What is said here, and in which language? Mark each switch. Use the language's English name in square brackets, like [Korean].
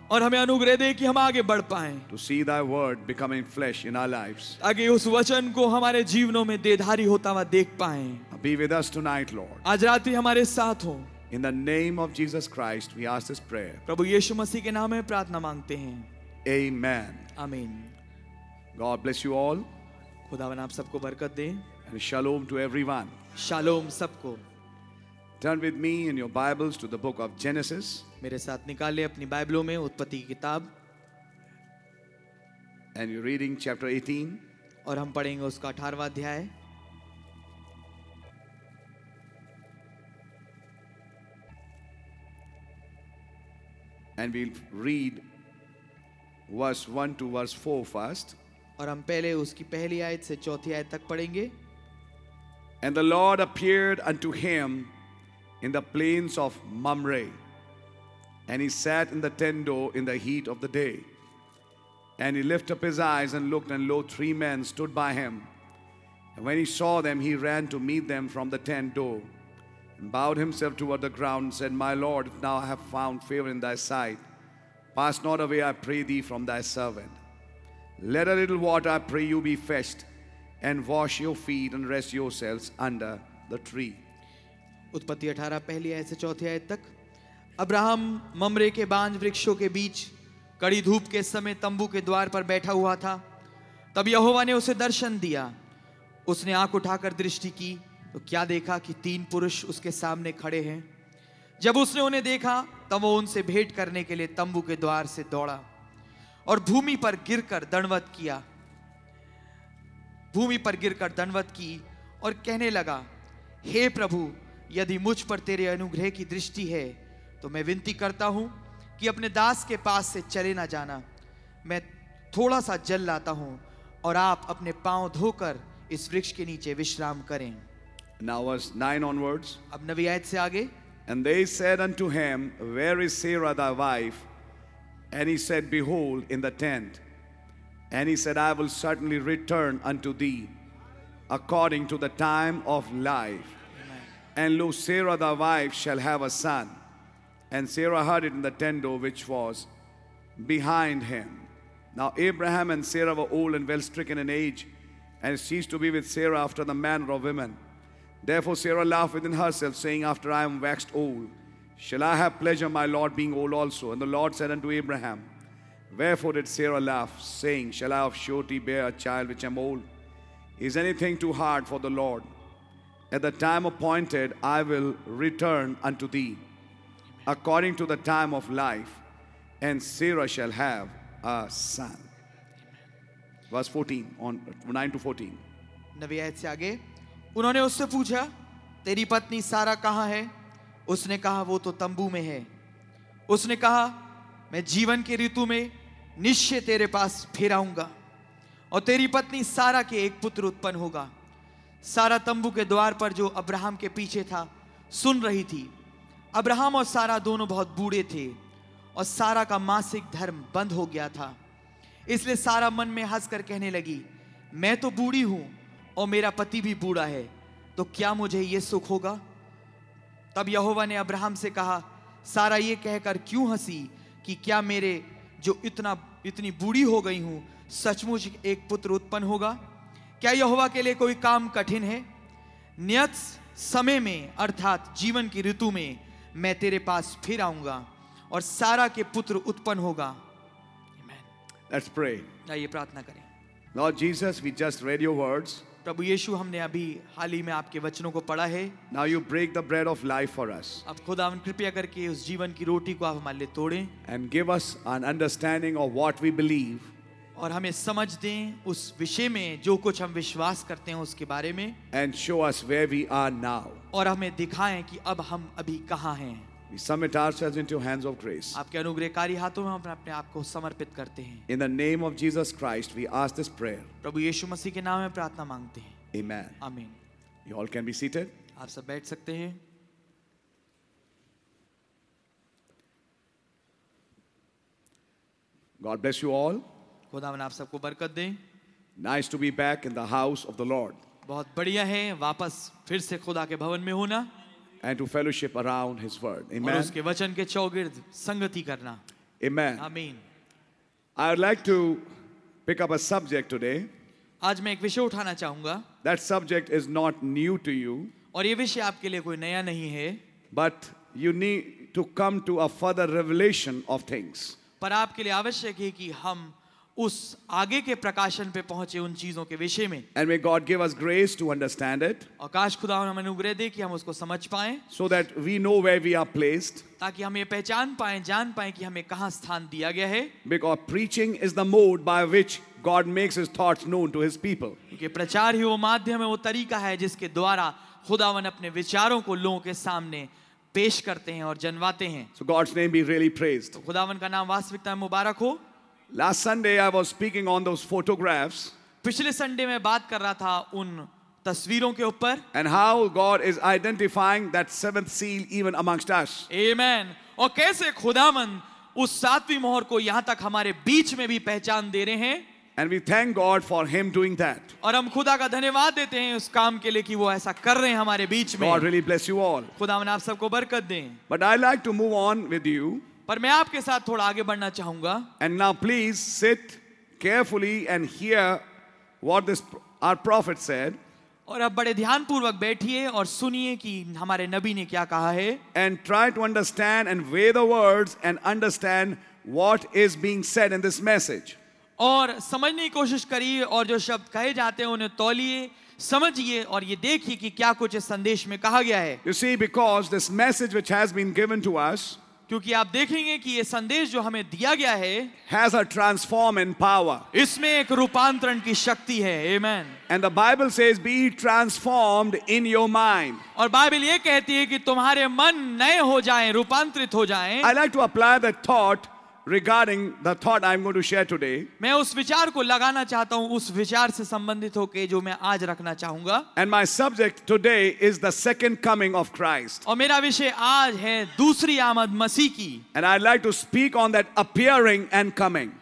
[Hindi] और हमें अनुग्रह दे कि हम आगे बढ़ पाएं. [English] To see thy word becoming flesh in our lives. [Hindi] आगे उस वचन को हमारे जीवनों में देहधारी होता हुआ देख पाएं. [English] Be with us tonight, Lord. [Hindi] आज रात ही हमारे साथ हो. [English] In the name of Jesus Christ, we ask this prayer. [Hindi] प्रभु यीशु मसीह के नाम में प्रार्थना मांगते हैं. [English] Amen. Amen. God bless you all. [Hindi] खुदावन आप सबको बरकत दे. [English] And shalom to everyone. [Hindi] Shalom सबको. [English] Turn with me in your Bibles to the book of Genesis. [Hindi] मेरे साथ निकालिए अपनी बाइबलों में उत्पत्ति की किताब. [English] And you're reading chapter 18. [Hindi] और हम पढ़ेंगे उसका 18वां अध्याय. [English] And we'll read verse 1 to verse 4 first. [Hindi] और हम पहले उसकी पहली आयत से चौथी आयत तक पढ़ेंगे. [English] And the Lord appeared unto him in the plains of Mamre, and he sat in the tent door in the heat of the day. And he lifted up his eyes and looked, and lo, three men stood by him. And when he saw them, he ran to meet them from the tent door. And bowed himself toward the ground and said, My Lord, if now I have found favor in thy sight, pass not away, I pray thee, from thy servant. Let a little water, I pray you, be fetched, and wash your feet and rest yourselves under the tree. [Hindi] उत्पत्ति 18 पहली आयत से चौथी आयत तक. Abraham ममरे के बांज वृक्षों के बीच कड़ी धूप के समय तंबू के द्वार पर बैठा हुआ था. तब यहोवा ने उसे दर्शन दिया. उसने आंख उठाकर दृष्टि की तो क्या देखा कि तीन पुरुष उसके सामने खड़े हैं. जब उसने उन्हें देखा तब वो उनसे भेंट करने के लिए तंबू के द्वार से दौड़ा और भूमि पर गिरकर दंडवत की और कहने लगा, हे प्रभु, यदि मुझ पर तेरे अनुग्रह की दृष्टि है तो मैं विनती करता हूँ कि अपने दास के पास से चले ना जाना. मैं थोड़ा सा जल लाता हूँ और आप अपने पाँव धोकर इस वृक्ष के नीचे विश्राम करें. [English] Now verse 9 onwards. [Hindi] अब नवी आयत से आगे. [English] And they said unto him, Where is Sarah thy wife? And he said, Behold, in the tent. And he said, I will certainly return unto thee according to the time of life. Amen. And lo, Sarah thy wife shall have a son. And Sarah heard it in the tent door which was behind him. Now Abraham and Sarah were old and well stricken in age, and ceased to be with Sarah after the manner of women. Therefore Sarah laughed within herself, saying, After I am waxed old, shall I have pleasure, my Lord being old also? And the Lord said unto Abraham, Wherefore did Sarah laugh, saying, Shall I of surety bear a child which am old? Is anything too hard for the Lord? At the time appointed, I will return unto thee, according to the time of life, and Sarah shall have a son. Verse 14, on 9 to 14. [Hindi] Navi ayat se aage. उन्होंने उससे पूछा, तेरी पत्नी सारा कहाँ है? उसने कहा, वो तो तंबू में है. उसने कहा, मैं जीवन की ऋतु में निश्चय तेरे पास फिर आऊंगा. और तेरी पत्नी सारा के एक पुत्र उत्पन्न होगा। सारा तंबू के द्वार पर जो अब्राहम के पीछे था सुन रही थी। अब्राहम और सारा दोनों बहुत बूढ़े थे और सारा का मासिक धर्म बंद हो गया था, इसलिए सारा मन में हंसकर कहने लगी, मैं तो बूढ़ी हूं और मेरा पति भी बूढ़ा है, तो क्या मुझे ये सुख होगा। तब यहोवा ने अब्राहम से कहा, सारा ये कहकर क्यों हंसी कि क्या मेरे जो इतनी बूढ़ी हो गई हूं सचमुच एक पुत्र उत्पन्न होगा? क्या यहोवा के लिए कोई काम कठिन है? नियत समय में अर्थात जीवन की ऋतु में मैं तेरे पास फिर आऊंगा और सारा के पुत्र उत्पन्न होगा। [English] Amen. Let's pray. [Hindi] आइए प्रार्थना करें। [English] Lord Jesus, we just read your words. [Hindi] प्रभु यीशु, हमने अभी हाल ही में आपके वचनों को पढ़ा है। [English] Now you break the bread of life for us. [Hindi] अब खुदावन कृपया करके उस जीवन की रोटी को आप हमारे लिए तोड़ें। [English] And give us an understanding of what we believe. [Hindi] और हमें समझ दें उस विषय में जो कुछ हम विश्वास करते हैं उसके बारे में। [English] And show us where we are now. [Hindi] और हमें दिखाएं कि अब हम अभी कहाँ हैं। [English] We submit ourselves into hands of grace. [Hindi] आपके अनुग्रहकारी हाथों में हम अपने आप को समर्पित करते हैं। [English] In the name of Jesus Christ, we ask this prayer. [Hindi] प्रभु यीशु मसीह के नाम में प्रार्थना मांगते हैं। [English] Amen. Amen. You all can be seated. [Hindi] आप सब बैठ सकते हैं। [English] God bless you all. [Hindi] खुदावन आप सबको बरकत दें। [English] Nice to be back in the house of the Lord. [Hindi] बहुत बढ़िया है वापस फिर से खुदा के भवन में होना। [English] And to fellowship around His word. Amen. [Hindi] और उसके वचन के चौगिर्द संगति करना। [English] Amen. Amen. I would like to pick up a subject today. [Hindi] आज मैं एक विषय उठाना चाहूंगा। [English] That subject is not new to you. [Hindi] और ये विषय आपके लिए कोई नया नहीं है। [English] But you need to come to a further revelation of things. [Hindi] पर आपके लिए आवश्यक है कि हम उस आगे के प्रकाशन पे पहुंचे उन चीजों के विषय में। [English] And may God give us grace to understand it. [Hindi] और काश खुदा हमें अनुग्रह दे कि हम उसको समझ पाएं। [English] So that we know where we are placed. [Hindi] ताकि हम ये पहचान पाएं, जान पाएं कि हमें कहां स्थान दिया गया है। [English] Because preaching is the mode by which God makes His thoughts known to His people. [Hindi] क्योंकि प्रचार ही वो माध्यम है, वो तरीका है जिसके द्वारा खुदावन अपने विचारों को लोगों के सामने पेश करते हैं और जनवाते हैं। [English] So God's name be really praised. [Hindi] तो खुदावन का नाम वास्तविकता में मुबारक हो। [English] Last Sunday I was speaking on those photographs. [Hindi] पिछले संडे मैं बात कर रहा था उन तस्वीरों के ऊपर। [English] And how God is identifying that seventh seal even amongst us. Amen. [Hindi] और कैसे खुदावन उस सातवीं मोहर को यहाँ तक हमारे बीच में भी पहचान दे रहे हैं। [English] And we thank God for Him doing that. [Hindi] और हम खुदा का धन्यवाद देते हैं उस काम के लिए कि वो ऐसा कर रहे हैं हमारे बीच में। [English] God really bless you all. [Hindi] खुदावन आप सबको बरकत दें। [English] But I like to move on with you. [Hindi] पर मैं आपके साथ थोड़ा आगे बढ़ना चाहूंगा। [English] And now please sit carefully and hear what this our prophet said. [Hindi] और अब बड़े ध्यान पूर्वक बैठिए और सुनिए कि हमारे नबी ने क्या कहा है। [English] And try to understand and weigh the words and understand what is being said in this message. [Hindi] और समझने की कोशिश करिए और जो शब्द कहे जाते हैं उन्हें तौलिए, समझिए और ये देखिए कि क्या कुछ इस संदेश में कहा गया है। [English] you see, because this message which has been given to us, [Hindi] क्योंकि आप देखेंगे कि ये संदेश जो हमें दिया गया है [English] has a transform in power. [Hindi] इसमें एक रूपांतरण की शक्ति है। [English] Amen. And the Bible says, be transformed in your mind. [Hindi] और बाइबल ये कहती है कि तुम्हारे मन नए हो जाएं, रूपांतरित हो जाएं। [English] I like to apply the thought regarding the thought I'm going to share today. [Hindi] मैं उस विचार को लगाना चाहता हूँ उस विचार से संबंधित होके जो मैं आज रखना चाहूंगा। [English] And my subject today is the second coming of Christ. [Hindi] और मेरा विषय आज है दूसरी आमद मसीह की। [English] And I'd like to speak on that appearing and coming.